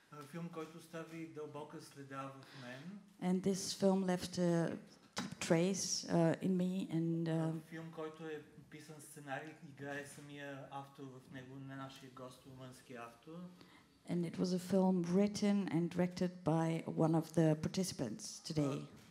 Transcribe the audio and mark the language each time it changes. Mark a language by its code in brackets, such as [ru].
[bg] Филм, който остави дълбока следа в мен. [en] And this film left a trace in me. And [bg] филм, който е писан сценарий, играе самия автор в него, на нашия гост, румънски автор. [en] And it was a film written and directed by one of the participants today.